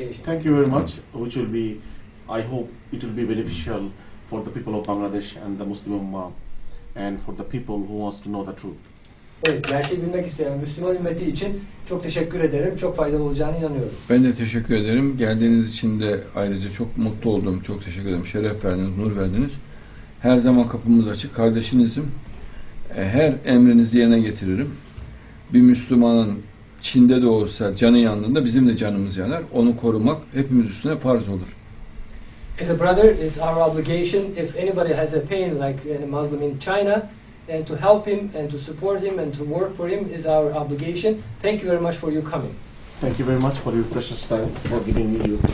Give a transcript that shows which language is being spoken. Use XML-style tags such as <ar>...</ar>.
<en>Thank you very much, which will be, I hope it will be beneficial for the people of Bangladesh and the Muslim Ummah and for the people who wants to know the truth.</en> <tr>Evet, gerçeği bilmek isteyen Müslüman ümmeti için çok teşekkür ederim, çok faydalı olacağına inanıyorum. Ben de teşekkür ederim. Geldiğiniz için de ayrıca çok mutlu oldum, çok teşekkür ederim. Şeref verdiniz, nur verdiniz. Her zaman kapımız açık, kardeşinizim. Her emrinizi yerine getiririm. Bir Müslümanın Çin'de de olsa canı yandığında bizim de canımız yanar. Onu korumak hepimiz üstüne farz olur.</tr> <en>As a brother, it's our obligation if anybody has a pain like any Muslim in China, and to help him and to support him and to work for him is our obligation. Thank you very much for your coming. Thank you very much for your precious time for giving me your...</en>